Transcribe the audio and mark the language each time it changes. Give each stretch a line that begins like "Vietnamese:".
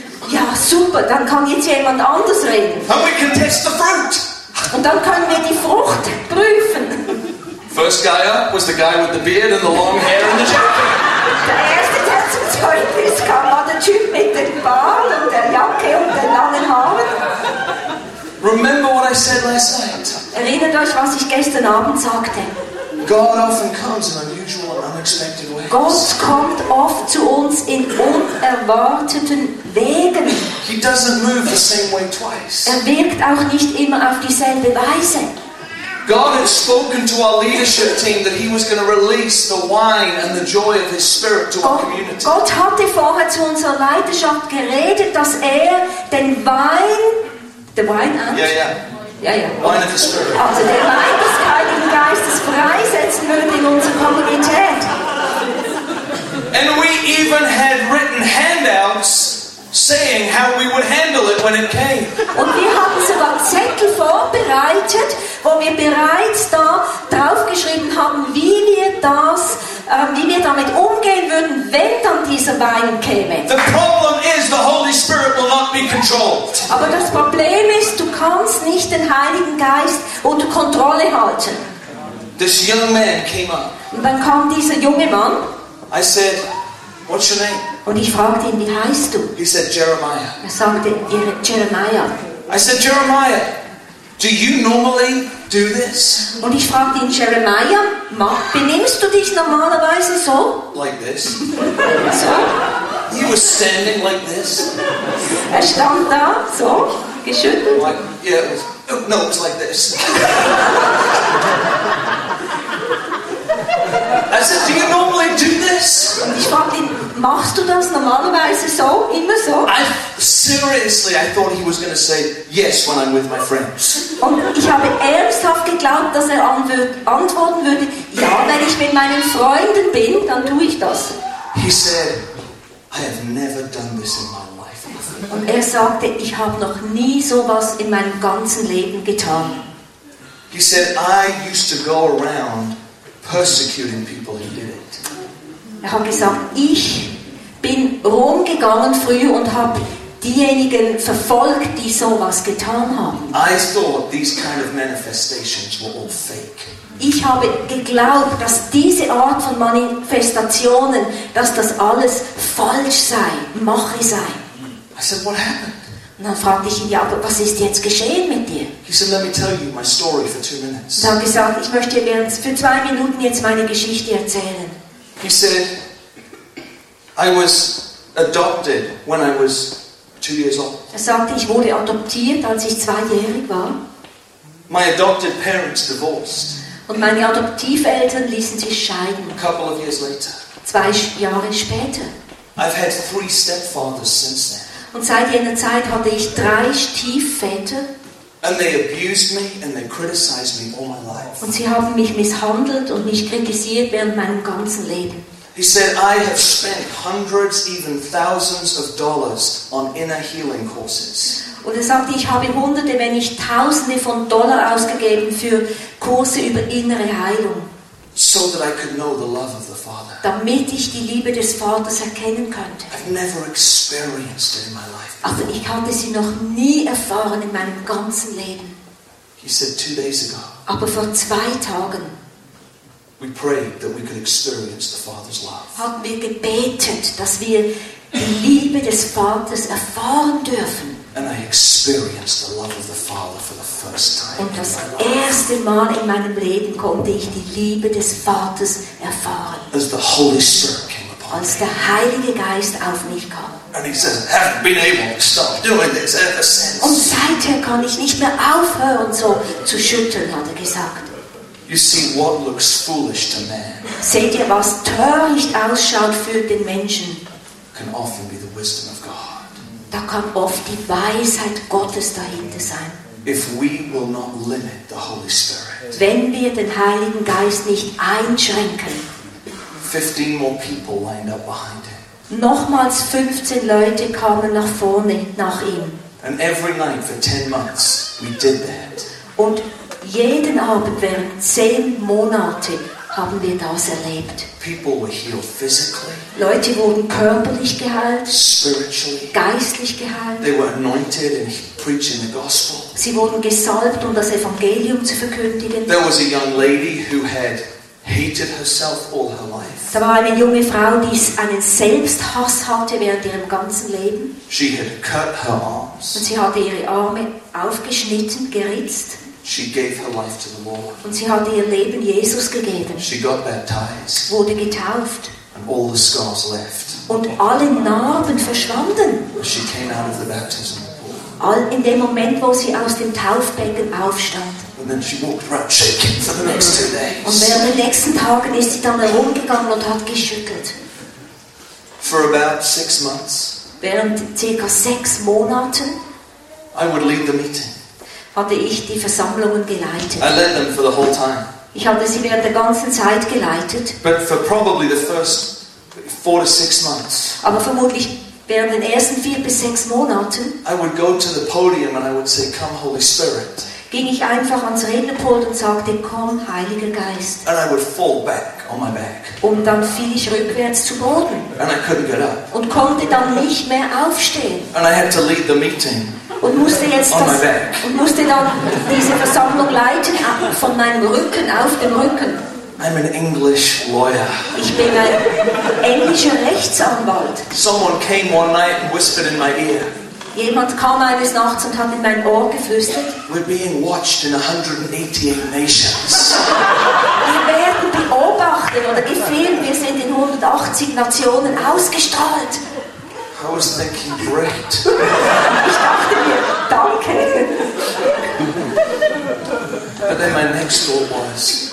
German: Ja, super, dann kann jetzt jemand anders reden.
English: And we can test the fruit.
German: Und dann können wir die Frucht prüfen.
English: First guy up was the guy with the beard and the long hair and the jacket.
German: Der erste, der zum Zeugnis kam, war der Typ mit dem Bart und der Jacke und den langen Haaren.
English: Remember what I said last night.
German: Erinnert euch, was ich gestern Abend sagte.
English: God often comes in unusual and unexpected ways.
German: Gott kommt oft zu uns in unerwarteten Wegen.
English: He doesn't move the same way twice.
German: Er wirkt auch nicht immer auf dieselbe Weise.
English: God had spoken to our leadership team that he was going to release the wine and the joy of his spirit to our community.
German: Gott hatte vorher zu unserer Leiterschaft geredet, dass er den Wein,
English: the wine and... Yeah, yeah.
German: Ja, ja. Also der Wein des Heiligen Geistes freisetzen würde in unserer Kommunität.
English: And we even had written handouts saying how we would handle it when it came.
German: Und wir hatten sogar Zettel vorbereitet, wo wir bereits da draufgeschrieben haben, wie wir das, wie wir damit umgehen würden, wenn dann dieser Wein käme.
English: The problem is the Holy Spirit will not be controlled.
German: Aber das Problem ist, du kannst nicht den Heiligen Geist unter Kontrolle halten.
English: This young man came up.
German: Und dann kam dieser junge Mann.
English: I said, what's your name?
German: Und ich fragte ihn, wie heißt du?
English: He said, Jeremiah.
German: Er sagte, Jeremiah.
English: I said, Jeremiah, do you normally do this?
German: Und ich fragte ihn, Jeremiah, benimmst du dich normalerweise so?
English: Like this.
German: So?
English: He was standing like this.
German: Er stand da, so, geschüttelt.
English: Like, yeah, it was, oh, no, it was like this. I said, do you normally do this?
German: Und ich fragte ihn, machst du das normalerweise so, immer so?
English: Seriously, I thought he was going to say yes when I'm with my friends.
German: Und ich habe ernsthaft geglaubt, dass er antworten würde, ja, wenn ich mit meinen Freunden bin, dann tue ich das.
English: He said, I have never done this in my life.
German: Und er sagte, ich habe noch nie sowas in meinem ganzen Leben getan.
English: He said, I used to go around persecuting people who did it.
German: Er hat gesagt, ich bin rumgegangen früher und habe diejenigen verfolgt, die sowas getan haben.
English: I thought these kind of manifestations were all fake.
German: Ich habe geglaubt, dass diese Art von Manifestationen, dass das alles falsch sei, Mache sei.
English: I said, what happened?
German: Und dann fragte ich ihn, ja, aber was ist jetzt geschehen mit dir?
English: He said, let me tell you my story for 2 minutes.
German: Dann gesagt, ich möchte dir für 2 Minuten jetzt meine Geschichte erzählen.
English: He said, I was adopted when I was 2 years old.
German: Er sagte, ich wurde adoptiert, als ich 2-jährig war.
English: My adopted parents divorced.
German: Und meine Adoptiveltern ließen sich scheiden.
English: A couple of years later.
German: 2 Jahre später.
English: I've had 3 stepfathers since then.
German: Und seit jener Zeit hatte ich 3 Stiefväter.
English: And they abused me and they criticized me all my life.
German: Und sie haben mich misshandelt und mich kritisiert während meinem ganzen Leben.
English: He said, I have spent hundreds, even thousands of dollars on inner healing courses.
German: Und er sagte, ich habe Hunderte, wenn nicht Tausende von Dollar ausgegeben für Kurse über innere Heilung.
English: So that I could know the love of the Father.
German: Damit ich die Liebe des Vaters erkennen könnte.
English: I've never experienced it in my life.
German: Also ich hatte sie noch nie erfahren in meinem ganzen Leben.
English: He said 2 days ago.
German: Aber vor 2 Tagen.
English: We prayed that we could experience the Father's love.
German: Hatten wir gebetet, dass wir die Liebe des Vaters erfahren dürfen.
English: And I experienced the love of the Father for the first time.
German: Und das erste Mal in meinem Leben konnte ich die Liebe des Vaters erfahren.
English: As the Holy Spirit came upon me.
German: Als der Heilige Geist auf mich kam.
English: And he says, haven't been able to stop doing this ever since.
German: Und seither kann ich nicht mehr aufhören, so zu schütteln, hat er gesagt.
English: You see what looks foolish to man.
German: Seht ihr, was töricht ausschaut für den Menschen?
English: Can often be the wisdom of God.
German: Da kann oft die Weisheit Gottes dahinter sein.
English: if we will not limit the Holy Spirit.
German: Wenn wir den Heiligen Geist nicht einschränken.
English: 15 more people lined up behind him.
German: Nochmals 15 Leute kamen nach vorne nach ihm.
English: And every night for 10 months we did that.
German: Und jeden Abend während 10 Monate haben wir das erlebt.
English: People were healed physically.
German: Leute wurden körperlich geheilt.
English: Spiritually.
German: Geistlich geheilt.
English: They were anointed and preaching the gospel.
German: Sie wurden gesalbt, um das Evangelium zu verkündigen.
English: There was a young lady who had hated herself all her life.
German: Da war eine junge Frau, die einen Selbsthass hatte während ihrem ganzen Leben.
English: She had cut her arms.
German: Und sie hatte ihre Arme aufgeschnitten, geritzt.
English: She gave her life to the Lord.
German: Und sie hatte ihr Leben Jesus gegeben.
English: She got baptized.
German: Wurde getauft.
English: And all the scars left.
German: Und alle Narben verschwanden.
English: She came out of the baptism pool.
German: All in dem Moment, wo sie aus dem Taufbecken aufstand.
English: And then she walked around shaking for the next 2 days.
German: Und während den nächsten Tagen ist sie dann herumgegangen und hat geschüttelt.
English: For about 6 months.
German: Während ca. 6 Monaten.
English: I would lead the meeting.
German: Hatte ich die Versammlungen geleitet.
English: I led them for the whole time.
German: Ich hatte sie während der ganzen Zeit geleitet.
English: But for probably the first 4 to 6 months.
German: Aber vermutlich während den ersten 4 bis 6 Monaten.
English: I would go to the podium and I would say, "Come, Holy Spirit."
German: Ging ich einfach ans Rednerpult und sagte, "Komm, Heiliger Geist."
English: And I would fall back on my back.
German: Und dann fiel ich rückwärts zu Boden.
English: And I couldn't get up.
German: Und konnte dann nicht mehr aufstehen.
English: And I had to lead the meeting.
German: Und musste jetzt das, und musste dann diese Versammlung leiten von meinem Rücken auf dem Rücken.
English: I'm an English lawyer.
German: Ich bin ein englischer Rechtsanwalt.
English: Someone came one night and whispered in my ear.
German: Jemand kam eines Nachts und hat in mein Ohr geflüstert.
English: We're being watched in 188 nations.
German: Wir werden beobachtet oder gefilmt. Wir sind in 180 Nationen ausgestrahlt.
English: I was thinking, great. But then my next thought was.